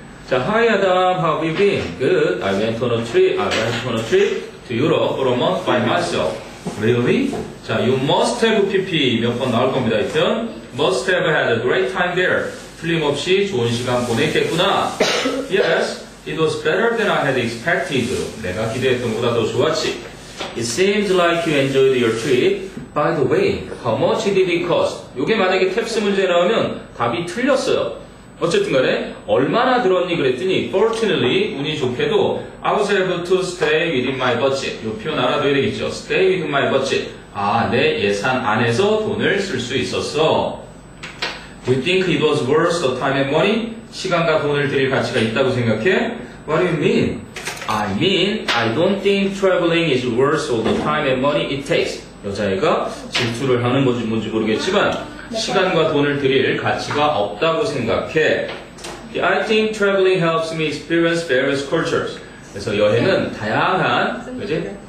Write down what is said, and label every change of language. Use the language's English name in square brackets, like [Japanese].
[English] 자, Hi Adam, how have you been? Good. I went on a trip. I went on a trip to Europe for a month by myself. Really? 자, you must have PP [Korean] 몇 번 나올 겁니다. 이 편. [English] Must have had a great time there. [Korean] 틀림없이 좋은 시간 보냈겠구나. [English] Yes, it was better than I had expected. [Korean] 내가 기대했던 것보다 더 좋았지. [English] It seems like you enjoyed your trip. By the way, how much did it cost? [Korean] 이게 만약에 캡스 문제 나오면 답이 틀렸어요. 어쨌든 간에 얼마나 들었니 그랬더니 fortunately 운이 좋게도 [English] I was able to stay within my budget. [Korean] 이 표현 알아둬야 되겠죠. [English] Stay within my budget. [Korean] 아, 내 예산 안에서 돈을 쓸 수 있었어. [English] Do you think it was worth the time and money? [Korean] 시간과 돈을 드릴 가치가 있다고 생각해? [English] What do you mean? I mean, I don't think traveling is worth all the time and money it takes. [Korean] 여자애가 질투를 하는 건지 뭔지 모르겠지만 시간과 돈을 드릴 가치가 없다고 생각해. [English] I think traveling helps me experience various cultures. [Korean] 그래서 여행은 다양한 그지?